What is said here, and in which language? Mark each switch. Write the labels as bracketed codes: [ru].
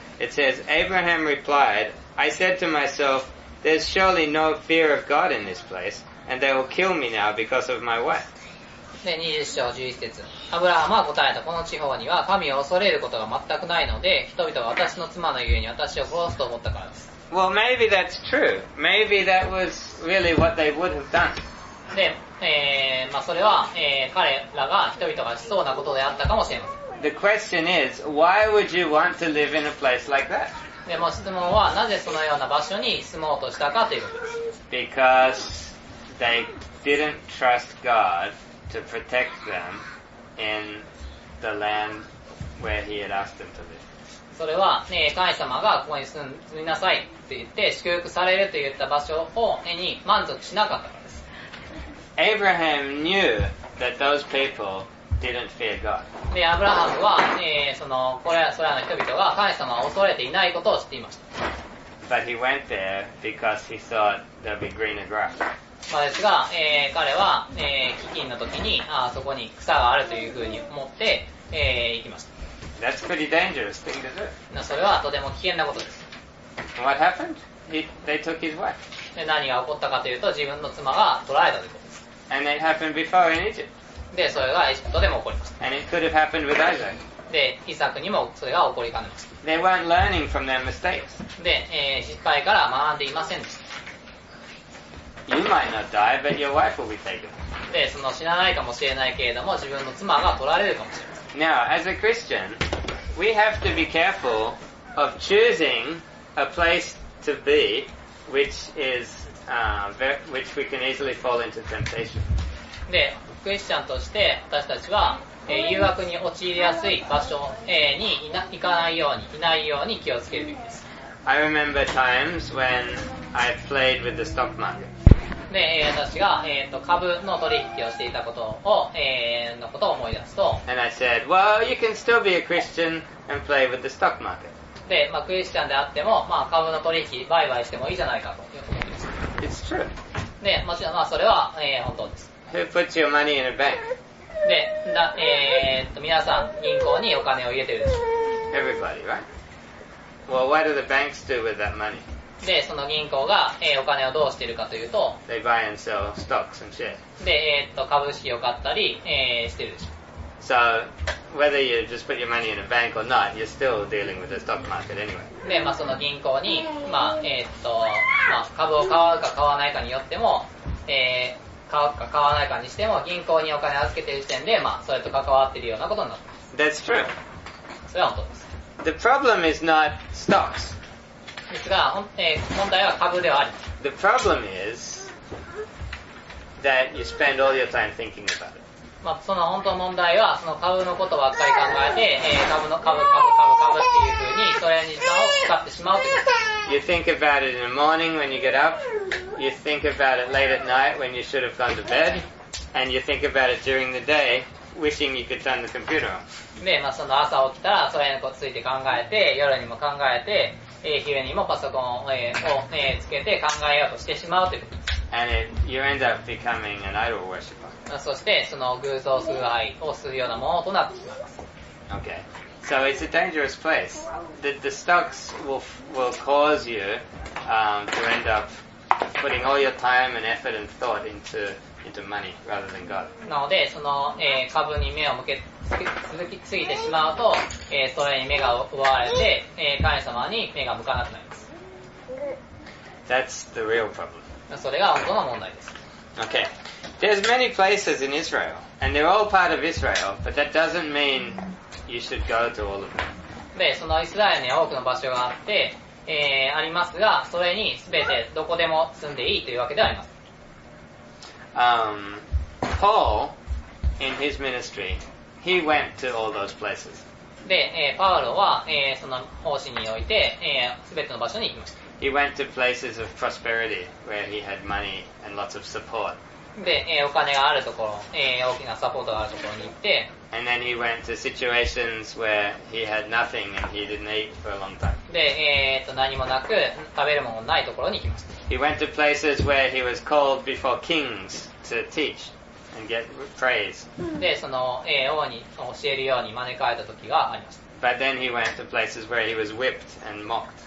[en] It says, Abraham replied, I said to myself, there's surely no fear of God in this place, and they will kill me now because of my wife. [ja] で、20章11節。アブラハムは答えた。この地方には神を恐れることが全くないので、人々は私の妻のゆえに私を殺すと思ったからです。 [en] Well, maybe that's true. Maybe that was really what they would have done. [ja] で、まあ、それは、彼らが人々がしそうなことであったかもしれません。 [en] The question is, why would you want to live in a place like that? [ja] でも質問は、なぜそのような場所に住もうとしたかということです。 [en] Because they didn't trust God to protect them in the land where he had asked them to live. [ja] それは、神様がここに住みなさいって言って、祝福されるといった場所を、に満足しなかったからです。 [en] Abraham knew that those people didn't fear God. [ja] で、アブラハムは、それらの人々が神様を恐れていないことを知っていました。 [en] But he went there because he thought there'd be greener grass. [ja] まあですが、彼は、飢饉の時に、あそこに草があるというふうに思って、行きました。 [en] That's pretty dangerous thing, isn't it? [ja] まあ、それはとても危険なことです。 [en] What happened? They took his wife. [ja] で、何が起こったかというと、自分の妻が捕らえたということ。 [en] And it happened before in Egypt. [ja] で、それがエジプトでも起こりました。 [en] And it could have happened with Isaac. [ja] で、イサクにもそれが起こりかねました。 [en] They weren't learning from their mistakes. [ja] で、失敗から学んでいませんでした。 [en] You might not die, but your wife will be taken. [ja] で、その死なないかもしれないけれども、自分の妻が取られるかもしれません。 [en] Now, as a Christian, we have to be careful of choosing a place to be which is... which we can easily fall into temptation. [ja] で、クリスチャンとして私たちは、誘惑に陥りやすい場所、に行かないように、いないように気をつけるべきです。 [en] I remember times when I played with the stock market. [ja] で、私が、株の取引をしていたことを、のことを思い出すと、 [en] And I said, well, you can still be a Christian and play with the stock market. [ja] で、まあ、クリスチャンであっても、まあ、株の取引、売買してもいいじゃないかと。 [en] It's true. [ja] で、もちろん、まあ、それは、本当です。 [en] Who puts your money in a bank? [ja] で、皆さん、銀行にお金を入れているでしょう。 [en] Everybody, right? Well, what do the banks do with that money? [ja] で、その銀行が、お金をどうしているかというと、 [en] They buy and sell stocks and shares. [ja] で、株式を買ったり、しているでしょう。 [en] So, whether you just put your money in a bank or not, you're still dealing with the stock market anyway. [ja] で、まあ、その銀行に、まあ、まあ、株を買うか買わないかによっても、買うか買わないかにしても、銀行にお金預けている時点で、まあ、それと関わっているようなことになっています。 [en] That's true. [ja] それは本当です。 [en] The problem is not stocks. [ja] ですが、問題は株ではあり。 [en] The problem is that you spend all your time thinking about it. [ja] まあ、その本当の問題は、その株のことばっかり考えて、株っていう風に、それに時間を使ってしまうということ。 [en] You think about it in the morning when you get up, you think about it late at night when you should have gone to bed, and you think about it during the day, wishing you could turn the computer on. [ja] で、まあ、その朝起きたら、それについて考えて、夜にも考えて、昼にもパソコンを、つけて考えようとしてしまうということ。 [en] And it, you end up becoming an idol worshipper. [ja] そしてその偶像崇拝をするようなものとなってしまいます。 [en] Okay. So it's a dangerous place. The stocks will cause you to end up putting all your time and effort and thought into money rather than God. [ja] なので、その、株に目を向け、ついてしまうと、それに目が奪われて、神様に目が向かなくなります。 [en] That's the real problem. [ja] それが本当の問題です。 [en] Okay. There's many places in Israel, and they're all part of Israel, but that doesn't mean you should go to all of them. [ja] で、そのイスラエルには多くの場所があって、ありますが、それにすべてどこでも住んでいいというわけではあります。 [en] Paul, in his ministry, he went to all those places. [ja] で、パウロは、その奉仕において、すべての場所に行きました。 [en] He went to places of prosperity where he had money and lots of support. [ja] で、お金があるところ、大きなサポートがあるところに行って。 [en] And then he went to situations where he had nothing and he didn't eat for a long time. [ja] で、何もなく食べるものないところに行きました。 [en] He went to places where he was called before kings to teach and get praise. [ja] で、その、王に教えるように招かれた時がありました。 [en] But then he went to places where he was whipped and mocked.